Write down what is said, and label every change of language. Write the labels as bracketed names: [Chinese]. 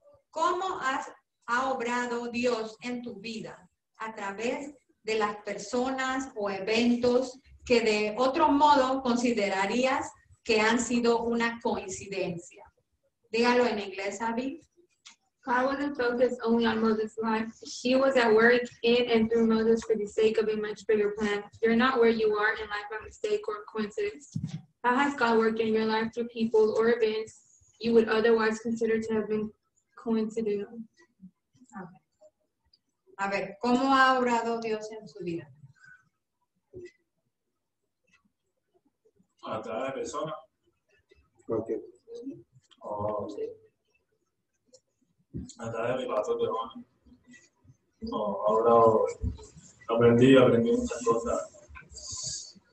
[Spanish] ¿Cómo ha obrado Dios en tu vida? A través de las personas o eventos que de otro modo considerarías que han sido una coincidencia. Dígalo en inglés, Abby. [English] God wasn't focused only on Moses' life. He was at work in and through Moses for the sake of a much bigger plan. You're not where you are in life by mistake or coincidence. How has God worked in your life through people or events you would otherwise consider to have been coincidental? [Spanish] A ver, ¿cómo ha obrado Dios en su vida? A través de personas. [English] Okay. [Spanish] A través de mi pastor de Juan. Ahora aprendí muchas cosas.